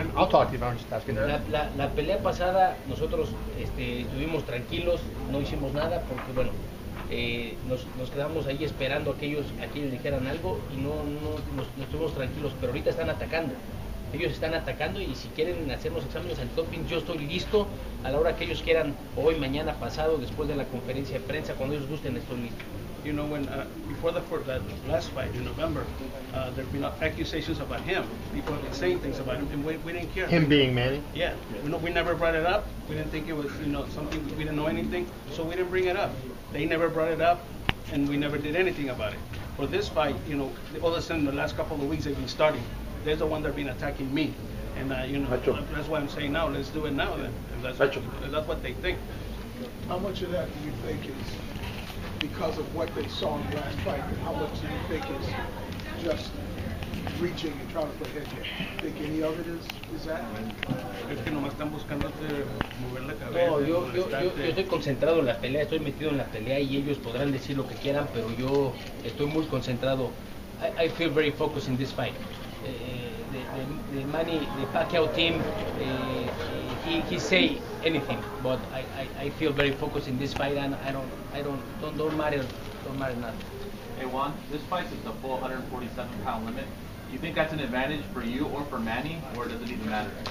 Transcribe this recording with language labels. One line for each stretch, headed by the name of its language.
Spanish: La pelea pasada nosotros estuvimos tranquilos, no hicimos nada porque bueno, nos quedamos ahí esperando a que ellos dijeran algo y no estuvimos tranquilos, pero ahorita están atacando. Ellos están atacando y si quieren hacernos exámenes antidoping, yo estoy listo a la hora que ellos quieran, hoy, mañana, pasado, después de la conferencia de prensa, cuando ellos gusten, estoy listo.
English: You know, when before that last fight in November, there have been accusations about him. People have been saying things about him, and we didn't care. Him being Manny? Yeah. We never brought it up. We didn't think it was, you know, something. We didn't know anything, so we didn't bring it up. They never brought it up, and we never did anything about it. For this fight, you know, all of a sudden, the last couple of weeks they've been starting. They're the one that's been attacking me. And, you know, that's why I'm saying now, let's do it now, then. And that's what they think. How much of that do you think is because of what they saw in the last fight, and how much do you think is just reaching and trying to put ahead? Do you think any of it is that?
Spanish: Es que nomás están buscándote mover la cabeza. No, yo estoy concentrado en la pelea, estoy metido en la pelea y ellos podrán decir lo que quieran, pero yo estoy muy concentrado.
English: I feel very focused in this fight. The Manny, the Pacquiao team, he say anything, but I feel very focused in this fight, and I don't matter nothing. Hey Juan, this fight is the full 147 pound limit. Do you think that's an advantage for you or for Manny, or does it even matter?